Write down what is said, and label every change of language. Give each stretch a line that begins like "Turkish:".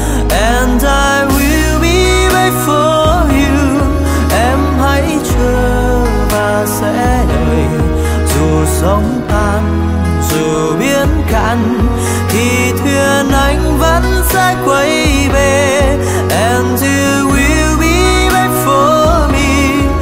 English: And I will be waiting for you.
Vietnamese: Em hãy chờ và sẽ đợi. Dù sóng tan, dù biến cạn, thì thuyền anh vẫn sẽ quay về.
English: And you will be waiting for me.